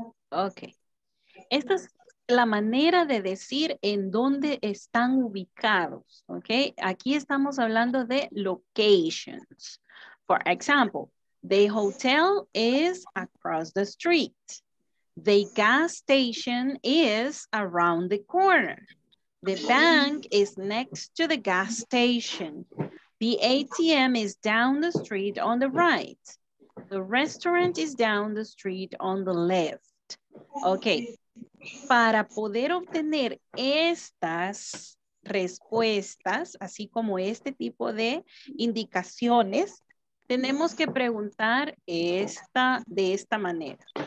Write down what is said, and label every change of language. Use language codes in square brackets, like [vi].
[es] Ok. Esta es la manera de decir en dónde están ubicados. Ok. Aquí estamos hablando de locations. [en] For example, the hotel is across the street. The gas station is around the corner. The bank is next to the gas station. The ATM is down the street on the right. The restaurant is down the street on the left. [es] Ok, para poder obtener estas respuestas, así como este tipo de indicaciones, tenemos que preguntar esta de esta manera.